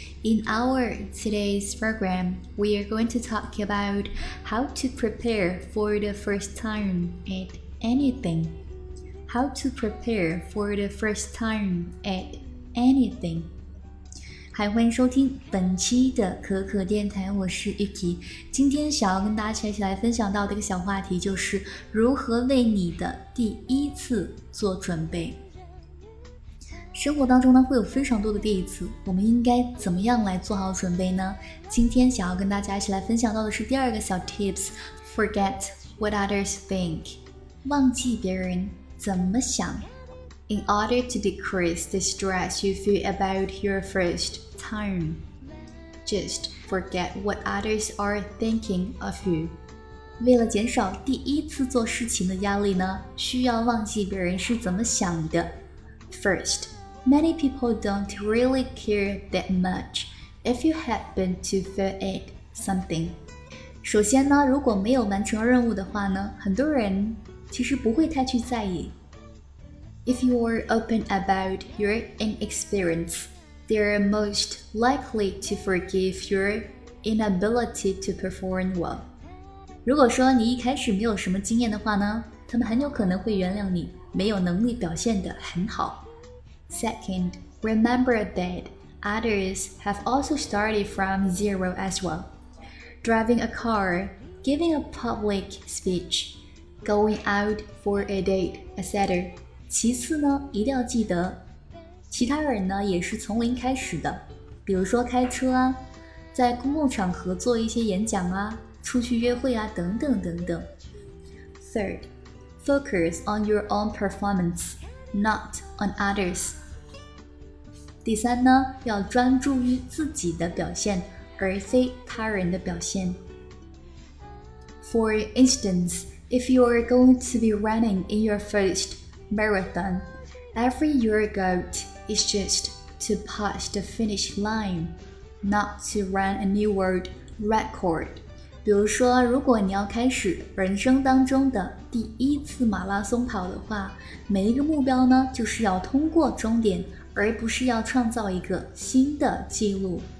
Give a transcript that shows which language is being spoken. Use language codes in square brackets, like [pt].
[en] In our today's program, we are going to talk about how to prepare for the first time at anything. How to prepare for the first time at anything. [zh] 还欢迎收听本期的可可电台，我是 Yuki。今天想要跟大家一起来分享到的一个小话题，就是如何为你的第一次做准备。生活当中呢，会有非常多的第一次，我们应该怎么样来做好准备呢？今天想要跟大家一起来分享到的是第二个小 tips， [en] Forget what others think， [zh] 忘记别人怎么想。 [en] In order to decrease the stress you feel about your first time, just forget what others are thinking of you. [zh] 为了减少第一次做事情的压力呢，需要忘记别人是怎么想的。 [en] First, many people don't really care that much if you happen to fail at something. [zh] 首先呢，如果没有完成任务的话呢，很多人其实不会太去在意。 [en] If you are open about your inexperience, they are most likely to forgive your inability to perform well. [zh] 如果说你一开始没有什么经验的话呢，他们很有可能会原谅你没有能力表现得很好。 [en] Second, remember that others have also started from zero as well. Driving a car, giving a public speech, going out for a date, etc. [zh] 其次呢，一定要记得，其他人呢也是从零开始的，比如说开车啊，在公共场合做一些演讲啊，出去约会啊，等等等等。 [en] Third, focus on your own performance, not on others. [zh] 第三呢，要专注于自己的表现，而非他人的表现。 [en] For instance, if you are going to be running in your first marathon, every your goal is just to pass the finish line, not to run a new world record. [zh] 比如说，如果你要开始人生当中的第一次马拉松跑的话，每一个目标呢，就是要通过终点，而不是要创造一个新的记录。